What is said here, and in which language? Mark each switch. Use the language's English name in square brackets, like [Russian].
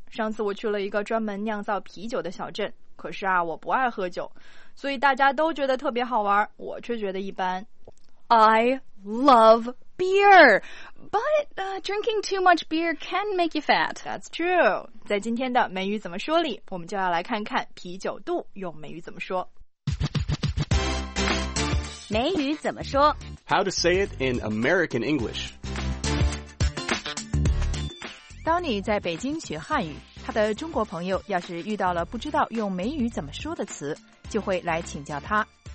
[Chinese] 上次我去了一个专门酿造啤酒的小镇，可是啊，我不爱喝酒，所以大家都觉得特别好玩，我却觉得一般。 [English] I love beer, but drinking too much beer can make you fat. That's true. [Chinese] 在今天的美语怎么说里，我们就要来看看啤酒肚用美语怎么说。美语怎么说? [English] How to say it in American English. [Chinese] 当你在北京学汉语，他的中国朋友要是遇到了不知道用美语怎么说的词，就会来请教他。